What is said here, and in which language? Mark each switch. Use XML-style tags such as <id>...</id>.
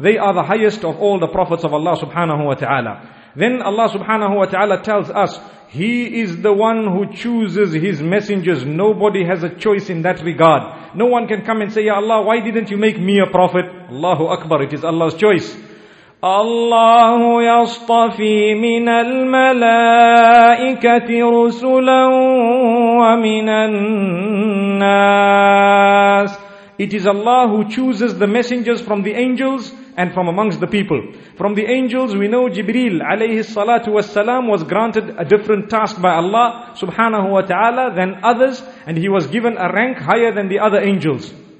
<en>They are the highest of all the prophets of Allah subhanahu wa ta'ala. Then Allah subhanahu wa ta'ala tells us, He is the one who chooses His messengers. Nobody has a choice in that regard. No one can come and say, Ya Allah, why didn't you make me a prophet? Allahu Akbar, it is Allah's choice.</en> <ar>الله يصطفي من الملائكة رسلا ومن الناس</ar> <en>It is Allah who chooses the messengers from the angels and from amongst the people. From the angels, we know Jibreel alayhi salatu wassalam was granted a different task by Allah subhanahu wa ta'ala than others, and he was given a rank higher than the other angels.</en>